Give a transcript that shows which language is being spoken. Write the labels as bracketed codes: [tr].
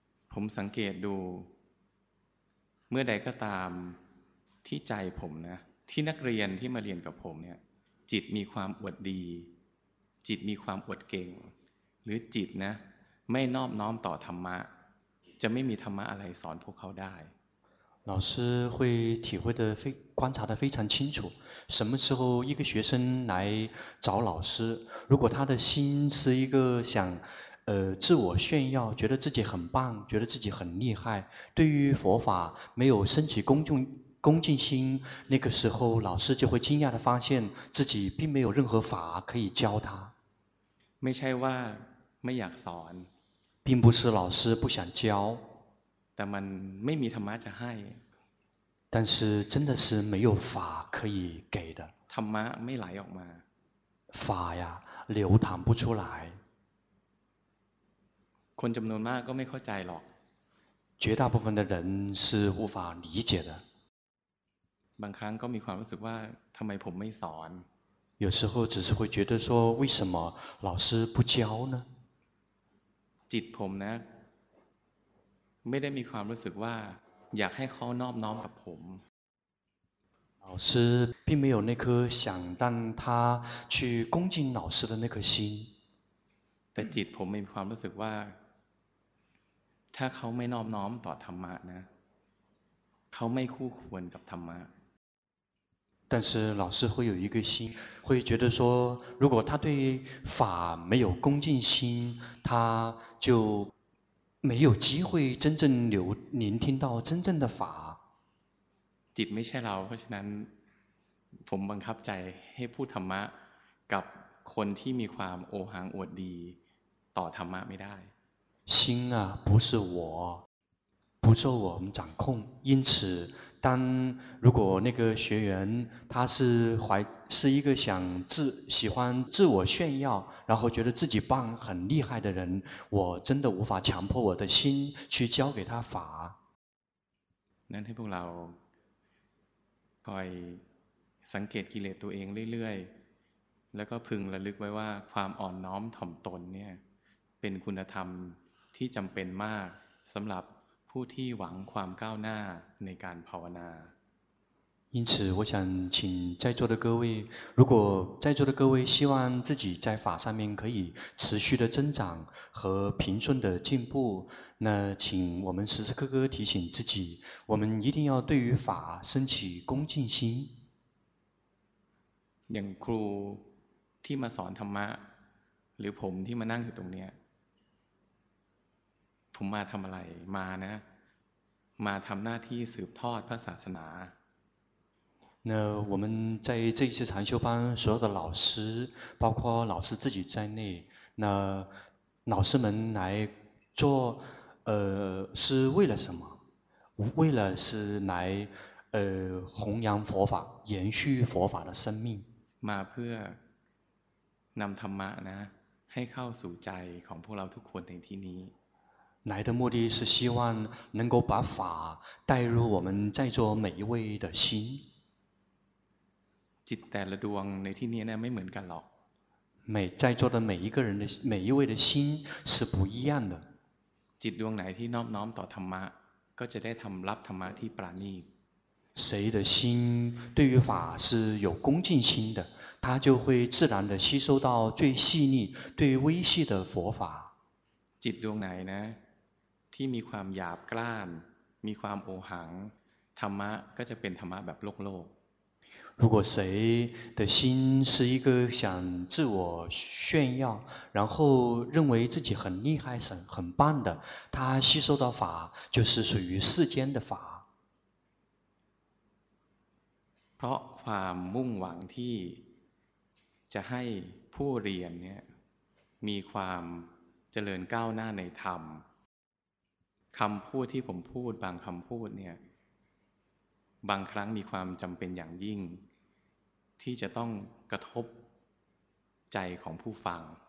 [th] ผมสังเกตดูเมื่อใดก็ตามที่ใจผมนะที่นักเรียนที่มาเรียนกับผมเนี่ยจิตมีความอวดดีจิตมีความอวดเก่งหรือจิตนะไม่นอบน้อมต่อธรรมะจะไม่มีธรรมะอะไรสอนพวกเขาได้ [zh] 老师会体会的非观察的非常清楚什么时候一个学生来找老师如果他的心是一个想自我炫耀觉得自己很棒觉得自己很厉害对于佛法没有升起恭敬心那个时候老师就会惊讶的发现自己并没有任何法可以教他 [th] ไม่ใช่ว่าไม่อยากสอน [zh] 并不是老师不想教 [th] แต่มันไม่มีธรรมะจะให้ [zh] 但是真的是没有法可以给的 [th] ธรรมะไม่ไหลออกมา [zh] 法呀流淌不出来 [th] คนจำนวนมากก็ไม่เข้าใจหรอก [zh] 绝大部分的人是无法理解的 [th] บางครั้งก็มีความรู้สึกว่าทำไมผมไม่สอน [zh] 有时候只是会觉得说为什么老师不教呢 [th] จิตผมนะไม่ได้มีความรู้สึกว่าอยากให้เขานอบน้อมกับผม [zh] 老师并没有那颗想让他去恭敬老师的那颗心 [th] แต่จิตผมมีความรู้สึกว่าถ้าเขาไม่นอบน้อมต่อธรรมะนะเขาไม่คู่ควรกับธรรมะ [zh] 但是老师会有一个心会觉得说如果他对法没有恭敬心他就没有机会真正聆听到真正的法 [th] จิตไม่ใช่เราเพราะฉะนั้นผมบังคับใจให้พูดธรรมะกับคนที่มีความโอหังอวดดีต่อธรรมะไม่ได้ [zh] 心啊不是我不受我们掌控因此但如果那个学员他是怀是一个想自喜欢自我炫耀，然后觉得自己棒很厉害的人，我真的无法强迫我的心去教给他法。 [th] นั่นให้พวกเราคอยสังเกตกิเลสตัวเองเรื่อยๆแล้วก็พึงระลึกไว้ว่าความอ่อนน้อมถ่อมตนเนี่ยเป็นคุณธรรมที่จำเป็นมากสำหรับผู้ที่หวังความก้าวหน้าในการภาวนา [zh] 因此我想请在座的各位，如果在座的各位希望自己在法上面可以持续的增长和平顺的进步，那请我们时时刻刻提醒自己，我们一定要对于法升起恭敬心。 [th] อย่างครูที่มาสอนธรรมะหรือผมที่มานั่งอยู่ตรงนี้ผมมาทำอะไรมานะมาทำหน้าที่สืบทอดพระศาสนา [zh] 那我们在这次禅修班所有的老师包括老师自己在内，那老师们来做是为了什么？为了是来弘扬佛法，延续佛法的生命。 [th] มาเพื่อนำธรรมะนะให้เข้าสู่ใจของพวกเราทุกคนในที่นี้ [zh] 来的目的是希望能够把法带入我们在座每一位的心 [th] จิตแต่ละดวงในที่นี้นะไม่เหมือนกันหรอก [zh] 每在座的每一个人的每一位的心是不一样的 [th] จิตดวงไหนที่น้อมน้อมต่อธรรมะก็จะได้ทำรับธรรมะที่ปราณีต [zh] 谁的心对于法是有恭敬心的，他就会自然的吸收到最细腻、最微细的佛法。 [th] จิตดวงไหนนะที่มีความหยาบกร้านมีความโอหังธรรมะก็จะเป็นธรรมะแบบโลกโลก。 [zh] 如果谁的心是一个想自我炫耀，然后认为自己很厉害、很棒的，他吸收到法就是属于世间的法。 [th] เพราะความมุ่งหวังที่จะให้ผู้เรียนเนี่ยมีความเจริญก้าวหน้าในธรรมคำพูดที่ผมพูดบางคำพูดเนี่ยบางครั้งมีความจำเป็นอย่างยิ่งที่จะต้องกระทบใจของผู้ฟัง